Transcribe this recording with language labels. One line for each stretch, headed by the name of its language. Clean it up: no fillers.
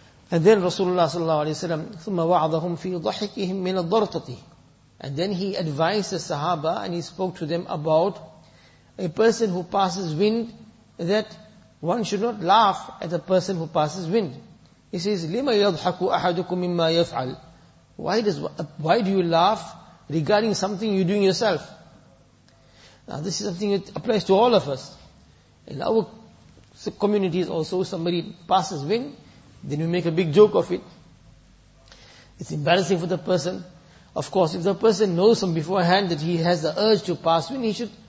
English: And then
Arabic: Rasulullah sallallahu alayhi wa sallam, ثُمَّ وَعَظَهُمْ فِي ضَحِكِهِمْ مِنَ الضَّرْطَةِ.
English: And then he advised the Sahaba and he spoke to them about a person who passes wind, that one should not laugh at a person who passes wind. He says,
Arabic: لِمَ يَضْحَكُ أَحَدُكُمْ مِمَّا يَفْعَلْ.
English: Why do you laugh regarding something you're doing yourself? Now this is something that applies to all of us. In our communities also, somebody passes wind, then you make a big joke of it. It's embarrassing for the person. Of course, if the person knows from beforehand that he has the urge to pass wind, he should